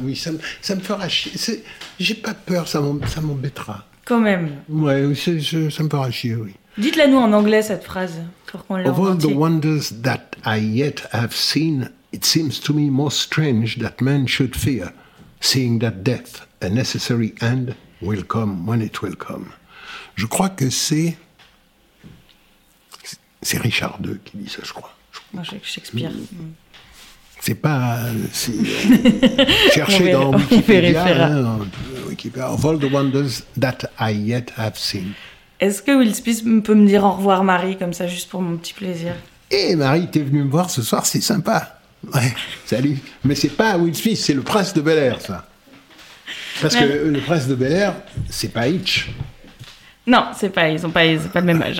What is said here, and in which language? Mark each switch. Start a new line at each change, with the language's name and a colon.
French: Oui, ça me fera chier. J'ai pas peur, ça m'embêtera. Quand même. Ouais, ça me fera chier, oui. Dites-la nous en anglais, cette phrase, pour qu'on l'entende.
English: Of all the wonders that I yet have seen, it seems to me more strange that men should fear, seeing that death, a necessary end, will come when it will come.
French: Je crois que c'est Richard II qui dit ça, je crois. Shakespeare. C'est pas... chercher dans Wikipédia.
English: Of all the wonders that I yet have seen.
French: Est-ce que Will Smith peut me dire au revoir, Marie, comme ça, juste pour mon petit plaisir? Hey, Marie, t'es venue me voir ce soir, c'est sympa. Ouais, salut. Mais c'est pas Will Smith, c'est le prince de Bel-Air, ça. Parce que le prince de Bel-Air, c'est pas Hitch. Non, c'est pas, ils ont pas le même âge.